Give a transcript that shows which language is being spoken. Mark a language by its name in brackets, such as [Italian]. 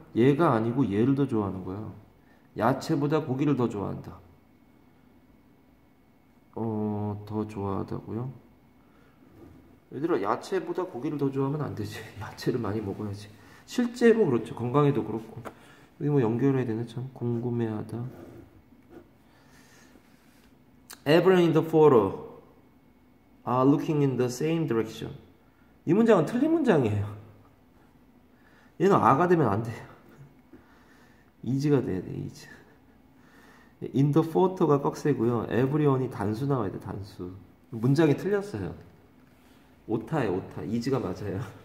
[Korean] 얘가 아니고 얘를 더 좋아하는 거야. 야채보다 고기를 더 좋아한다. 더 좋아하다고요? 얘들아, 야채보다 고기를 더 좋아하면 안 되지. 야채를 많이 먹어야지. 실제로 그렇죠. 건강에도 그렇고. 여기 뭐 연결해야 되네, 참. 궁금해하다. [English] Everyone in the photo are looking in the same direction. [Korean] 이 문장은 틀린 문장이에요. 얘는 아가 되면 안 돼요. 이즈가 돼야 돼, 이즈. [English] In the photo [Korean] 가 꺽쇠고요. Everyone이 단수 나와야 돼, 단수. 문장이 틀렸어요. 오타에 오타. 이즈가 맞아요.